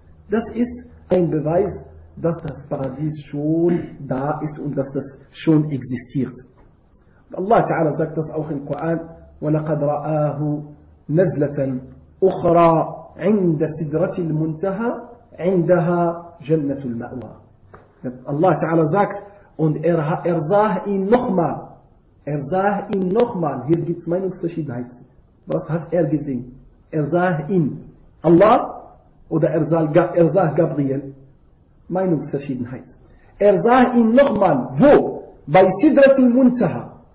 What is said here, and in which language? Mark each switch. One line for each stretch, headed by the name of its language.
German: Das ist ein Beweis, dass das Paradies schon da ist und dass das schon existiert. Allah Ta'ala sagt das auch im Koran,
Arabic: وَلَقَدْ رَآهُ نَزْلَةً أُخْرَى عِنْدَ سِدْرَةِ الْمُنْتَهَى عِنْدَهَا جَنَّةُ الْمَأْوَى.
German: Allah Ta'ala sagt, und er sah ihn nochmal. Er sah ihn nochmal. Hier gibt es Meinungsverschiedenheit. Was hat er gesehen? Er sah ihn. Allah oder er sah Gabriel. Meinungsverschiedenheit. Er sah ihn nochmal. Wo? Bei Sidratul Muntaha.